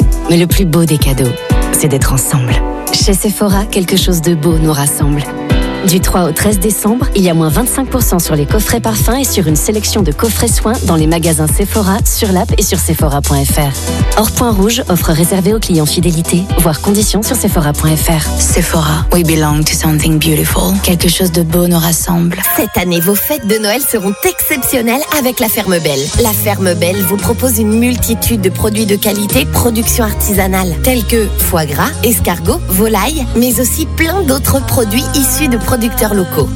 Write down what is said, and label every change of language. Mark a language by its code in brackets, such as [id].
[fr] Mais le plus beau des cadeaux, c'est d'être ensemble. Chez Sephora, quelque chose de beau nous rassemble. Du 3 au 13 décembre, il y a moins 25% sur les coffrets parfums et sur une sélection de coffrets soins dans les magasins Sephora, sur l'app et sur Sephora.fr. Or point rouge, offre réservée aux clients fidélité, voire conditions sur Sephora.fr. [en] Sephora, we belong to something beautiful. [fr] Quelque chose de beau nous rassemble. Cette année, vos fêtes de Noël seront exceptionnelles avec La Ferme Belle. La Ferme Belle vous propose une multitude de produits de qualité, production artisanale, tels que foie gras, escargots, volailles, mais aussi plein d'autres produits issus de producteurs locaux.